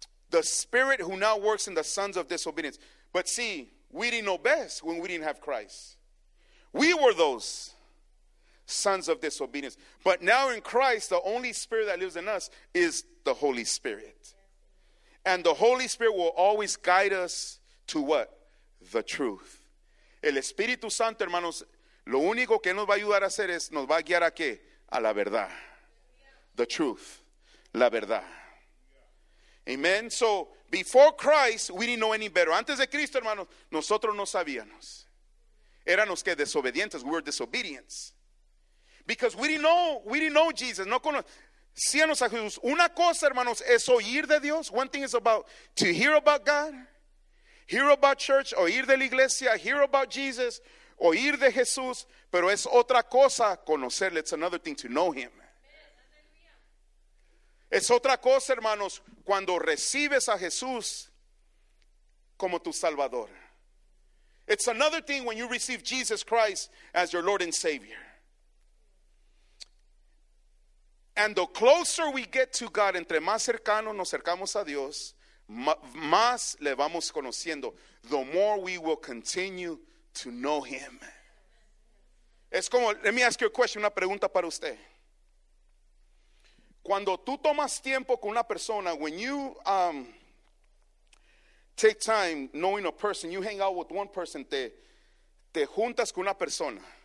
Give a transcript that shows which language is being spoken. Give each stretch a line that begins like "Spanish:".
English: The spirit who now works in the sons of disobedience. But see, we didn't know best when we didn't have Christ. We were those sons of disobedience. But now in Christ, the only spirit that lives in us is the Holy Spirit. And the Holy Spirit will always guide us to what? The truth.
Spanish: El Espíritu Santo, hermanos, lo único que nos va a ayudar a hacer es, nos va a guiar a qué? A la verdad.
English: The truth.
Spanish: La verdad. Amen.
English: So, before Christ, we didn't know any better.
Spanish: Antes de Cristo, hermanos, nosotros no sabíamos. Éramos que desobedientes.
English: We were disobedient. Because we didn't know Jesus.
Spanish: No conocemos. Síganos a Jesús. Una cosa, hermanos, es oír de Dios.
English: One thing is about to hear about God, hear about church,
Spanish: oír de la iglesia,
English: hear about Jesus,
Spanish: oír de Jesús. Pero es otra cosa conocerle.
English: It's another thing to know him.
Spanish: Es otra cosa, hermanos, cuando recibes a Jesús como tu Salvador.
English: It's another thing when you receive Jesus Christ as your Lord and Savior. And the closer we get to God,
Spanish: entre más cercano nos acercamos a Dios, más le vamos conociendo.
English: The more we will continue to know him.
Spanish: Es como,
English: let me ask you a question,
Spanish: una pregunta para usted. Cuando tú tomas tiempo con una persona,
English: when you take time knowing a person, you hang out with one person,
Spanish: te juntas con una persona.